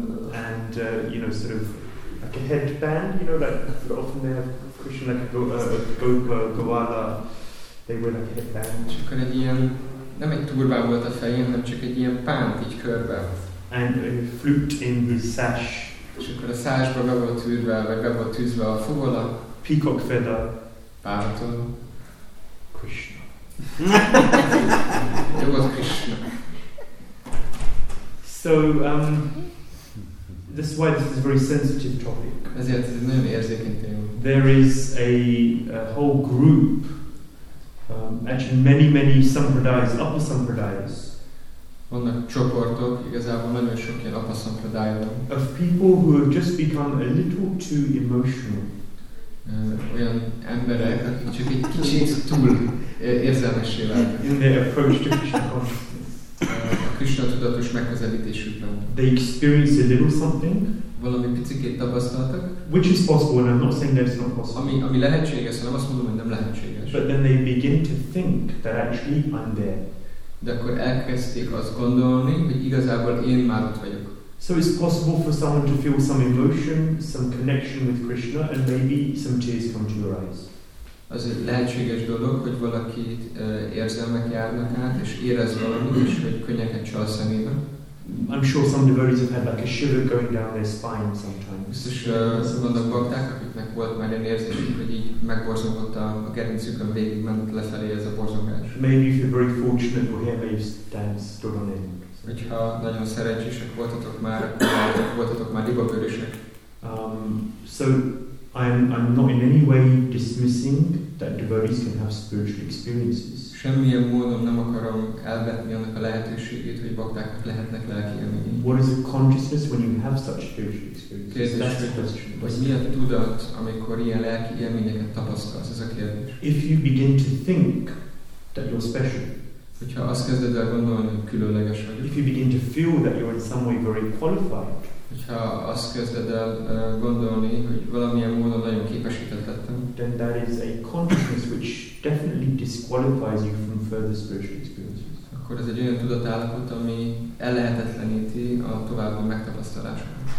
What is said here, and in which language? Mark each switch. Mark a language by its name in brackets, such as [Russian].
[English] and you know, sort of like a headband, you know, like often they have Krishna, like a gopa, gowala, they wear like a headband. [Hungarian] És akkor egy ilyen, nem egy turbán volt a fején, hanem csak egy ilyen pánt így körbe. [English] And a flute in his sash. [Hungarian] És akkor a sashba be volt tűzve, vagy be volt tűzve a fogola. [English] Peacock feather. [Hungarian] Pártól. [English] Krishna. [Hungarian] Jó volt Krishna. [English] So, this is why this is a very sensitive topic. [Hungarian] Ezért ez nagyon érzékeny téma. [English] There is a whole group, actually many sampradayas, upper sampradayas. [Hungarian] Vannak csoportok, igazából nagyon sok ilyen upper sampradayas. [English] Of people who have just become a little too emotional. [Hungarian] Olyan emberek, akik csak egy kicsit túl érzelmessé váltak. [English] In their approach to Krishna consciousness. [Hungarian] A Krishna tudatos megközelítésükben. [English] They experience a little something. [Hungarian] Valami picikét tapasztaltak. [English] Which is possible, and I'm not saying that it's not possible. [Hungarian] Ami lehetséges, hanem azt mondom, hogy nem lehetséges. [English] But then they begin to think that actually I'm there. [Hungarian] De akkor elkezdték azt gondolni, hogy igazából én már ott vagyok. [English] So it's possible for someone to feel some emotion, some connection with Krishna, and maybe some tears come to your eyes. [Hungarian] az lehetséges dolog, hogy valaki érzelmek járnak át, és érez valamit, és hogy könnyeket csal a szemében. [English] I'm sure some devotees have had like a shiver going down their spine sometimes. [Hungarian] Biztos vannak bakták, akiknek volt már egy érzésük, hogy így megborzongott a gerincük, a végig ment lefelé ez a borzongás. [English] Maybe if you're very fortunate or here, maybe stand stood on end. [Hungarian] Hogyha nagyon szerencsések voltatok már, voltatok már libabőrösek. [English] So I'm not in any way dismissing that devotees can have spiritual experiences. [Hungarian] Semmilyen módon nem akarom elvetni annak a lehetőségét, hogy baktáknak lehetnek lelki élményei. [English] What is a consciousness when you have such spiritual experiences? That's the question. [Hungarian] Vagy mi a tudat, amikor ilyen lelki élményeket tapasztalsz? Ez a kérdés. [English] If you begin to think that you're special. [Hungarian] Hogyha azt kezded el gondolni, hogy különleges vagy. [English] If you begin to feel that you're in some way very qualified. [Hungarian] Hogyha azt kezded el gondolni, hogy valamilyen módon nagyon képesített lettem, [English] then that is a consciousness which definitely disqualifies you from further spiritual experiences. [Hungarian] Akkor ez egy olyan tudatállapot, ami ellehetetleníti a további megtapasztalásokat.